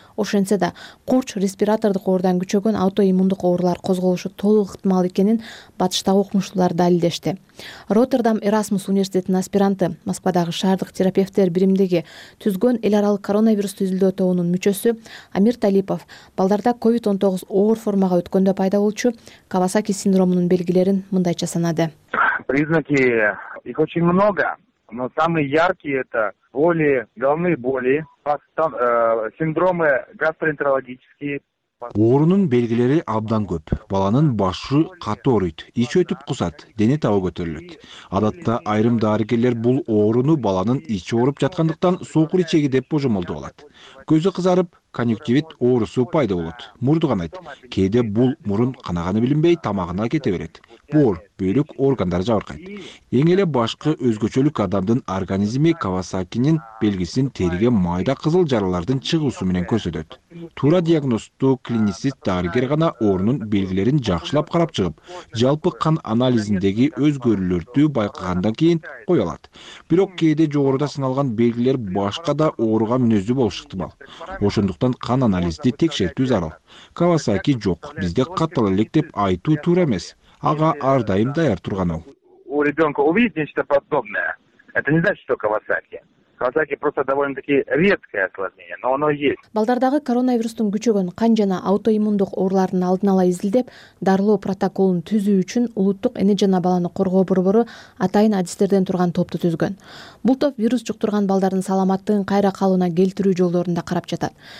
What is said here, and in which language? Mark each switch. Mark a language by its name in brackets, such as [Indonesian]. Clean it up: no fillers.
[Kyrgyz] Ошентсе да курч респиратордук оорудан күчөгөн аутоиммундук оорулар козголушу толук ыктымал экенин батыштагы окумуштуулар далилдешти. Роттердам Эрасмус университетинин аспиранты, Москвадагы шаардык терапевттер биримдиги түзгөн эл аралык коронавирус түзүлдөө тобунун мүчөсү Амир Талипов балдарда COVID-19 оор формага өткөндө пайда болчу Кавасаки синдромунун белгилерин мындайча санады. [Russian] Признаки их очень много, но самые яркие это боли, головные боли, синдромы гастроэнтерологические. [Kyrgyz] Оорунун белгилери абдан көп. Баланын башы катуу ооруйт, ич өтүп кусат, дене табы көтөрүлөт. Адатта айрым дарыгерлер бул ооруну баланын ичи ооруп жаткандыктан сокур ичеги деп божомолдоп алат. Көзү кызарып, конъюнктивит оорусу пайда болот. Мурду канайт. Кээде бул мурун канаганы билинбей тамагына кете берет. Боор, бөйрөк органдары жабыркайт. Эң эле башкы өзгөчөлүк адамдын организми Кавасакинин белгисин териге майда кызыл жаралардын чыгуусу менен көрсөтөт. Туура диагностту клиницист дарыгер гана оорунун белгилерин жакшылап карап чыгып, жалпы кан анализиндеги өзгөрүүлөрдү байкагандан кийин кое алат. Бирок кээде жогоруда сыналган белгилер башка да ооруга мүнөздүү болушу ыктымал. Ошондуктан кан анализди текшертүү зарыл. Кавасаки жок, бизде катал элек деп айтуу туура эмес. Ага ар дайым даяр турган ал. [Russian] У ребенка увидит нечто подобное, это не значит, что Кавасаки. Кавасаки просто довольно-таки редкое осложнение, но оно есть. [Kyrgyz] Балдардагы коронавирустун күчөгөн кан жана аутоиммундук оорулардын алдын ала изилдеп, дарылоо протоколун түзүү үчүн улуттук эне жана баланы коргоо борбору атайын адистерден турган топту түзгөн. Бул топ вирус жуктурган балдардын саламаттыгын кайра калыбына келтирүү жолдорунда карап жатат.